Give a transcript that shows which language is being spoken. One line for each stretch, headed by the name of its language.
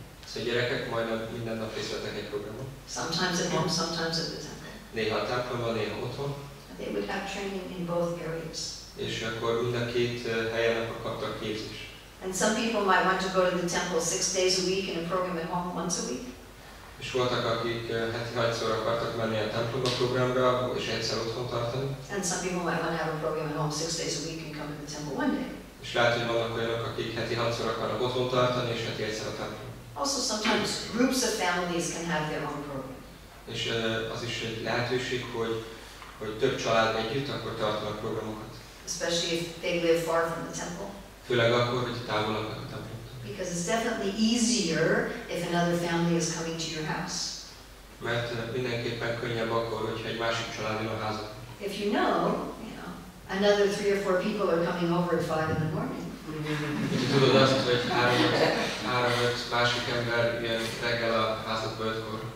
Hungarian: So a gyerekek majdnem minden nap részt vettek egy programot.
English: Sometimes at home, sometimes at the temple.
Hungarian: Néha a templomban, néha otthon.
English: They would have training in both areas.
Hungarian: És akkor mind a két helyen akkor kaptak képzést.
English: And some people might want to go to the temple 6 days a week and a program at home once a week.
Hungarian: És voltak, akik heti 6-szor akartak menni a templomba programra, és egyszer otthon tartani.
English: And some people might want to have a program at home 6 days a week and come to the temple one day.
Hungarian: És lehet, hogy vannak olyanok, akik heti 6-szor akarnak otthon tartani, és heti egyszer a templom.
English: Also sometimes groups of families can have their own program.
Hungarian: És az is egy lehetőség, hogy több család együtt akkor tartanak programokat.
English: Especially if they live far from the temple.
Hungarian: Főleg akkor, hogy távol vannak a templomtól.
English: Because it's definitely easier if another family is coming to your house.
Hungarian: Mert mindenképpen könnyebb akkor, hogyha egy másik család jön a házba.
English: If you know, another 3 or 4 people are coming over at 5 in the morning.
Hungarian: Tudod azt, hogy 3-5 másik ember jön reggel a házadba 5-kor.